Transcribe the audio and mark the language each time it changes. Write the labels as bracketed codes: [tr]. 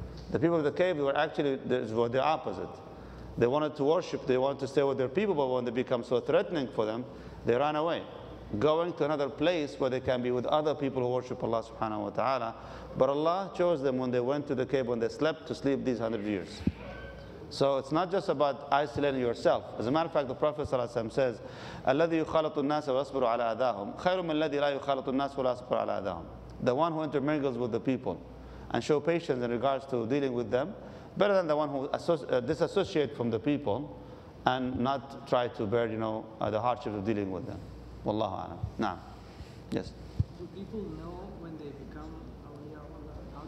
[en] The people of the cave were actually the opposite. They wanted to worship, they wanted to stay with their people, but when they become so threatening for them, they ran away, going to another place where they can be with other people who worship Allah subhanahu wa ta'ala. But Allah chose them when they went to the cave, when they slept, to sleep these 100 years. So it's not just about isolating yourself. As a matter of fact, the Prophet ﷺ says, [ar] "الذي يخالط الناس ويصبر على أذاهم خير من الذي لا يخالط الناس ولا يصبر على أذاهم." [en] The one who intermingles with the people and show patience in regards to dealing with them, better than the one who disassociate from the people and not try to bear, you know, the hardship of dealing with them. Wallahu a'lam. Now, yes. Do people know when they become awliya of Allah?